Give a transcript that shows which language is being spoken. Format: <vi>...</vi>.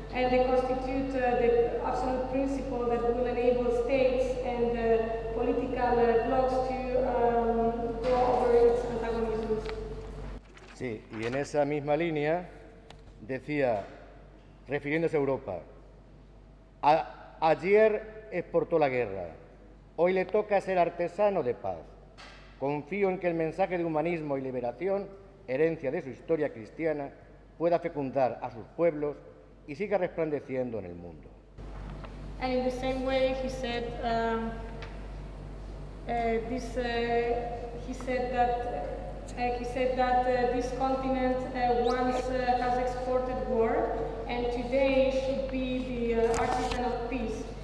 <en>they constitute the absolute principle that will enable states and political blocks to go over its antagonisms.</en> <es>Sí, y en esa misma línea decía, refiriéndose a Europa, ayer exportó la guerra, hoy le toca ser artesano de paz. Confío en que el mensaje de humanismo y liberación, herencia de su historia cristiana, pueda fecundar a sus pueblos y siga resplandeciendo en el mundo.</es> <en>And in the same way, he said this continent once has exported war, and today should be the artisan of peace.</en>